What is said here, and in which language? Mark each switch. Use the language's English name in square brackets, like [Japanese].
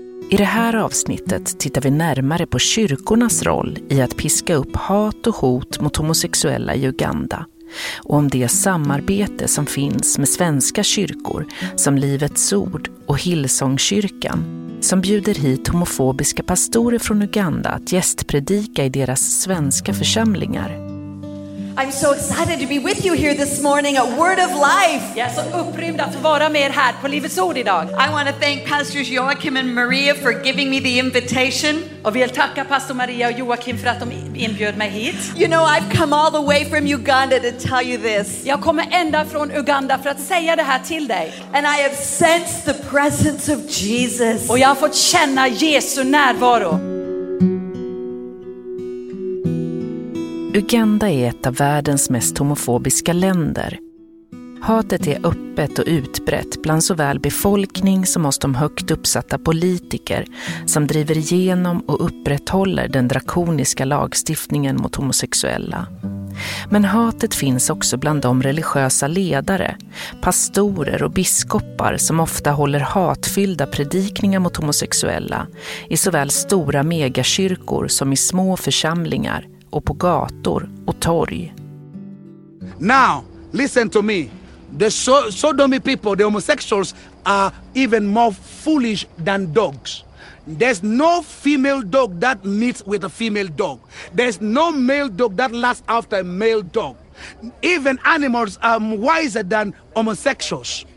[Swedish] I det här avsnittet tittar vi närmare på kyrkornas roll i att piska upp hat och hot mot homosexuella i Uganda. Och om det samarbete som finns med svenska kyrkor som Livets Ord och Hillsongkyrkan, som bjuder hit homofobiska pastorer från Uganda att gästpredika i deras svenska församlingar. [English] I'm so excited to be with you here this morning at Word of Life. [Swedish] Jag är så upprymd att vara med här på Livets Ord idag. [English] I want to thank Pastors Joachim and Maria for giving me the invitation. [Swedish] Och vill tacka Pastor Maria och Joachim för att de inbjöd mig hit. [English] You know, I've come all the way from Uganda to tell you this. [Swedish] Jag kommer ända från Uganda för att säga det här till dig. [English] And I have sensed the presence of Jesus. [Swedish] Och jag har fått känna Jesu närvaro. Uganda är ett av världens mest homofobiska länder. Hatet är öppet och utbrett bland såväl befolkning som hos de högt uppsatta politiker som driver igenom och upprätthåller den drakoniska lagstiftningen mot homosexuella. Men hatet finns också bland de religiösa ledare, pastorer och biskopar som ofta håller hatfyllda predikningar mot homosexuella i såväl stora megakyrkor som i små församlingar och på gator och torg. [English] Now, listen to me. The sodomy people, the homosexuals, are even more foolish than dogs. There's no female dog that meets with a female dog. There's no male dog that lasts after a male dog. Even animals are wiser than homosexuals.